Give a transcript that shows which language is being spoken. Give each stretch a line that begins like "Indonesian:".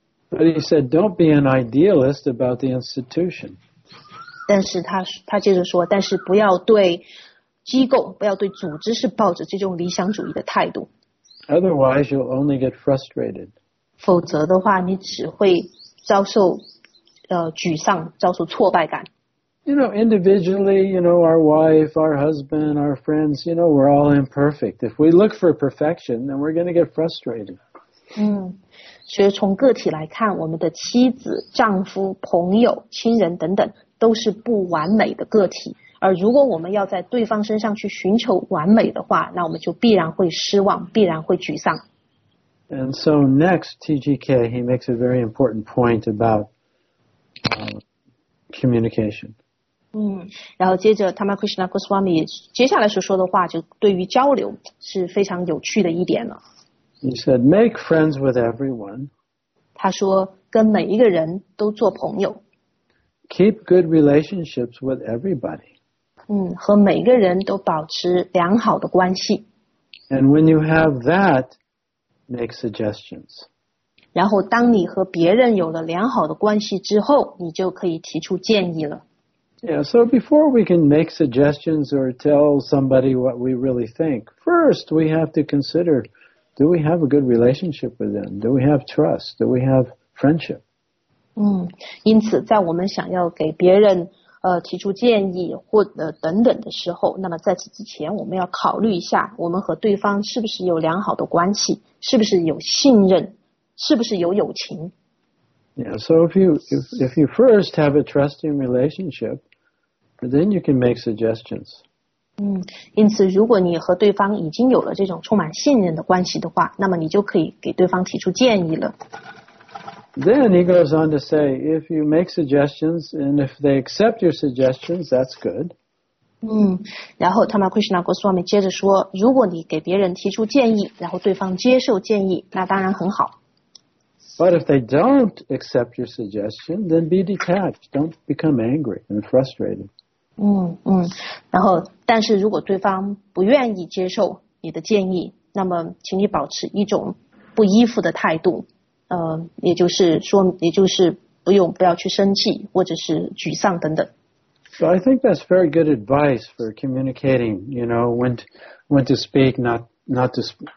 English: But he said, don't be an idealist about the institution.
Chinese: 但是他接着说，但是不要对机构，不要对组织是抱着这种理想主义的态度。
English: Otherwise, you'll only get frustrated.
Chinese: 否则的话，你只会遭受沮丧，遭受挫败感。
English: You know, individually, you know, our wife, our husband, our friends, you know, we're all imperfect. If we look for perfection, then we're going to get frustrated.
Chinese: 所以从个体来看，我们的妻子、丈夫、朋友、亲人等等都是不完美的个体，而如果我们要在对方身上去寻求完美的话，那我们就必然会失望，必然会沮丧。
English: And so next, TGK, he makes a very important point about communication.
Chinese: 然后接着 Tamakrishna Goswami 接下来所说的话就对于交流是非常有趣的一点了。
English: He said, make friends with everyone.
Chinese: 他说跟每一个人都做朋友。
English: Keep good relationships with everybody.
Chinese: 和每个人都保持良好的关系。
English: And when you have that, make suggestions.
Chinese: 然后当你和别人有了良好的关系之后，你就可以提出建议了。
English: Yeah, so before we can make suggestions or tell somebody what we really think, first we have to consider, do we have a good relationship with them? Do we have trust? Do we have friendship?
Chinese: 因此在我们想要给别人提出建议或者等等的时候，那么在此之前我们要考虑一下，我们和对方是不是有良好的关系，是不是有信任，是不是有友情。
English: Yeah, so if you first have a trusting relationship, then you can make suggestions.
Chinese: 因此如果你和对方已经有了这种充满信任的关系的话，那么你就可以给对方提出建议了。
English: Then he goes on to say, if you make suggestions and if they accept your suggestions, that's good.
Chinese: 然后 Tamakrishna Goswami 接着说，如果你给别人提出建议，然后对方接受建议，那当然很好。
English: But if they don't accept your suggestion, then be detached. Don't become angry and frustrated.
Chinese: 然后但是如果对方不愿意接受你的建议，那么请你保持一种不依附的态度。也就是说，也就是不要去生气，或者是沮丧等等。
English: So I think that's very good advice for communicating. You know, when to speak, when not to speak.